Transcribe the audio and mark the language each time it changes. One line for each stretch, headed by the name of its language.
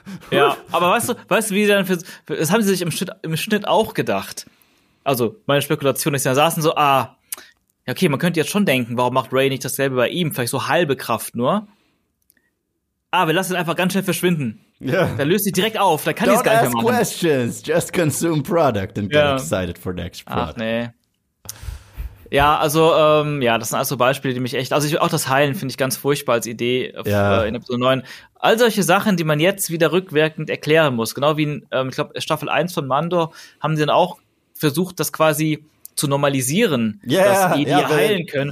German: Ja, aber weißt du, wie sie dann für. Das haben sie sich im Schnitt auch gedacht. Also, meine Spekulation ist, da saßen so, okay, man könnte jetzt schon denken, warum macht Rey nicht dasselbe bei ihm? Vielleicht so halbe Kraft nur. Wir lassen ihn einfach ganz schnell verschwinden.
English: Yeah.
German: Da löst sich direkt auf, da kann ich es gar nicht mehr machen.
English: Don't ask questions, just consume product and get excited for next product.
German: Ach, nee. Ja, also, das sind also Beispiele, die mich echt, also ich auch das Heilen finde ich ganz furchtbar als Idee in Episode 9. All solche Sachen, die man jetzt wieder rückwirkend erklären muss, genau wie in, ich glaube, Staffel 1 von Mando, haben sie dann auch versucht, das quasi zu normalisieren, heilen können.